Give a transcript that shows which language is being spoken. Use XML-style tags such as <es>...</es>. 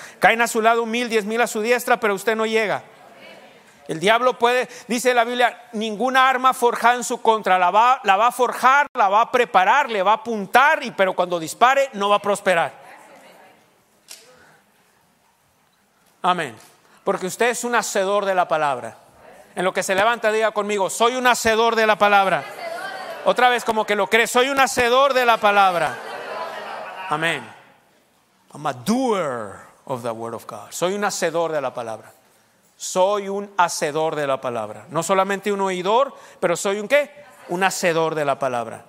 <es>Caen a su lado 1,000, 10,000 a su diestra, pero usted no llega. El diablo puede, dice la Biblia, ninguna arma forjada en su contra, la va a forjar, la va a preparar, le va a apuntar, pero cuando dispare no va a prosperar. Amén. Porque usted es un hacedor de la palabra. En lo que se levanta, diga conmigo: soy un hacedor de la palabra. Otra vez, como que lo cree, soy un hacedor de la palabra. Amén.</es> <en>I'm a doer of the word of God.</en> <es>Soy un hacedor de la palabra. Soy un hacedor de la palabra. No solamente un oidor, pero soy un ¿qué? Un hacedor de la palabra.</es>